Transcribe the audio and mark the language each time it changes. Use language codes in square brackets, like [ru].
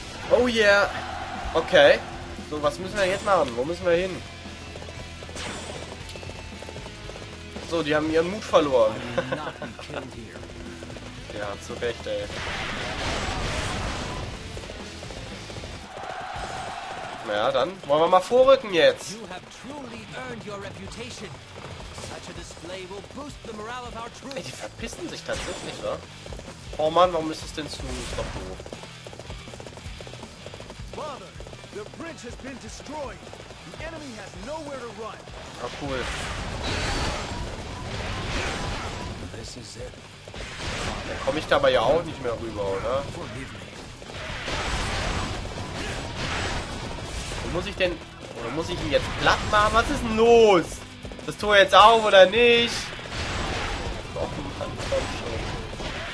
[en] Oh yeah. Okay. [de] So, was müssen wir jetzt machen? Wo müssen wir hin? So, die haben ihren Mut verloren. Ja, zu Recht, ey. Ja, dann wollen wir mal vorrücken jetzt. [en] You have truly earned your reputation. Such a display will boost the morale of our troops. [de] Ey, die verpissen sich tatsächlich, oder? Oh Mann, warum ist es denn zu doch so? [en] Father, the bridge has been destroyed. The enemy has nowhere to run. Oh cool. This is it. [de] Da komme ich dabei ja auch nicht mehr rüber, oder? Muss ich denn, oder muss ich ihn jetzt platt machen? Was ist denn los? Das Tor jetzt auf oder nicht? Oh Mann, komm schon.